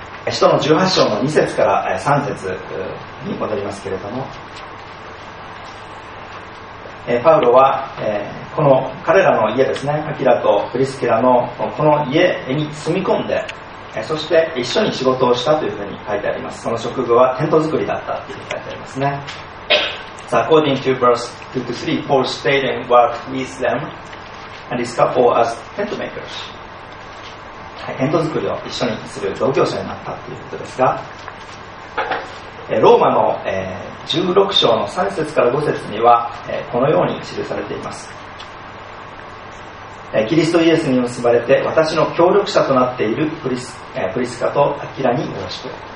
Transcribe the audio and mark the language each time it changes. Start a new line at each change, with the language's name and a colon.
Japanese: 使徒の18章の2節から3節に戻りますけれども、パウロはこの彼らの家ですね、アキラとプリスキラのこの家に住み込んで、そして一緒に仕事をしたというふうに書いてあります。その職業はテント作りだったというふうに書いてありますね。
English: So according to verse 2-3, Paul stayed and worked with them and his couple as tent makers.
Japanese: テント作りを一緒にする同業者になったということですが、ローマの16章の3節から5節にはこのように記されています。キリストイエスに結ばれて私の協力者となっているプリスカとアキラによろしく。